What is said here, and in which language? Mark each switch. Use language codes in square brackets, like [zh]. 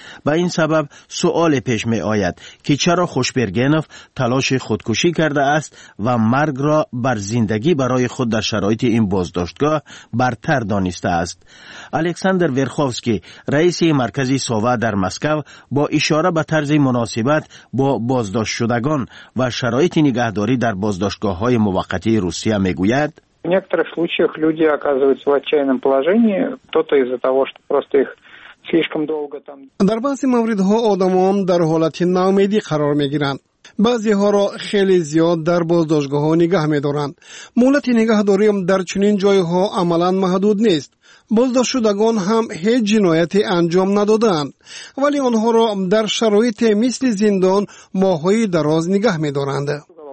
[fa] به این سبب سؤال پیش می آید که چرا خوشبرگنف تلاش خودکشی کرده است و مرگ را بر زندگی برای خود در شرایط این بازداشتگاه برتر دانسته است. الکساندر ورخوفسکی رئیس مرکزی سو و در مسکو با اشاره به طرز مناسبت با بازداشت شدگان و شرایط نگهداری در بازداشتگاه های موقتی روسیه می گوید [ru] в некоторых случаях люди оказываются в отчаянном положении кто-то из-за того что просто их слишком долго там [fa] در بعضی مواردها آدمان در حالت ناامیدی قرار می گیرند، بعضی ها را خیلی زیاد در بازداشتگاه ها نگه می دارند. مهلت نگهداری هم در چنین جای ها عملا محدود نیست. بازداشت شدگان هم هیچ جنایتی انجام ندادند، ولی آنها را در شرایط مثل زندان ماهای دراز نگه می دارند.